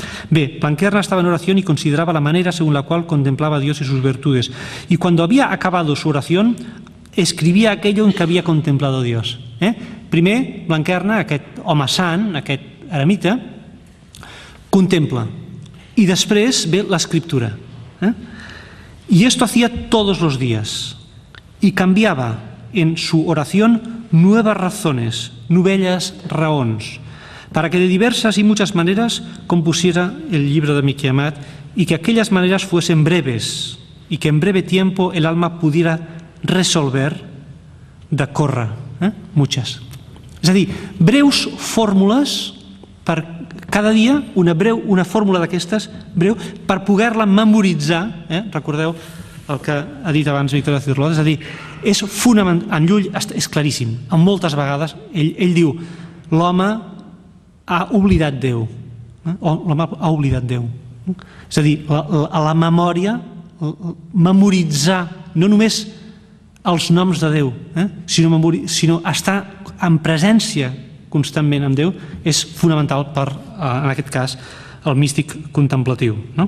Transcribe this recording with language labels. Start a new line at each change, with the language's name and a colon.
Catalan: Bé, Blanquerna estava en oració i considerava la manera segons la qual contemplava
Spanish: a Dios y sus virtudes. Y cuando había acabado su oración, escribía aquello en que había contemplado a Dios.
Catalan: Primer, Blanquerna, aquest home sant, aquest eremita, contempla.
Spanish: Y después ve la escritura. Y esto hacía todos los días. Y cambiaba en su oración nuevas razones, nuevas raons, para que de diversas y muchas maneras compusiera el libro de Miquel Amat y que aquellas maneras fuesen breves y que en breve tiempo el alma pudiera resolver de córrer. Muchas. Es decir, breus fórmulas para...
Catalan: cada dia una fórmula d'aquestes breu per poder-la memoritzar. Recordeu el que ha dit abans Víctor de Cirlot, és a dir, és fonamental, en Llull és claríssim, en moltes vegades ell diu l'home ha oblidat Déu, l'home ha oblidat Déu, és a dir, a la memòria memoritzar no només els noms de Déu, sinó estar en presència constantment amb Déu és fonamental per, en aquest cas, el místic contemplatiu.